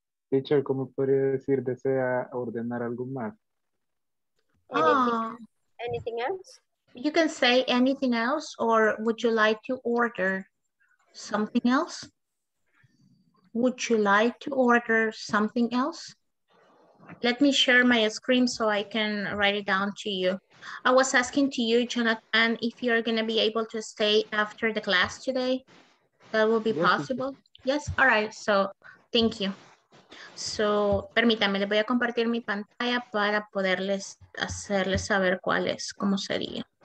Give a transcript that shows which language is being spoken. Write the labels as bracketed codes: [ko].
[es] Teacher, ¿cómo podría decir desea ordenar algo más? [en] Anything else? You can say anything else, or would you like to order something else? Would you like to order something else? Let me share my screen so I can write it down to you. I was asking to you, Jonathan, if you're going to be able to stay after the class today. That will be possible. Yes. All right. So thank you. [es] So permítame, le voy a compartir mi pantalla para poderles hacerles saber cuál es, cómo sería.